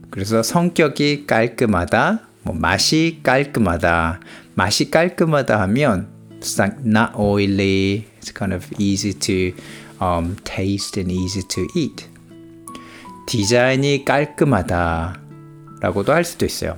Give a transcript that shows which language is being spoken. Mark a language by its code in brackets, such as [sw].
[ko] 그래서 성격이 깔끔하다, 뭐 맛이 깔끔하다. 맛이 깔끔하다 하면 [en] it's like not oily, it's kind of easy to taste and easy to eat. [ko] 디자인이 깔끔하다 라고도 할 수도 있어요.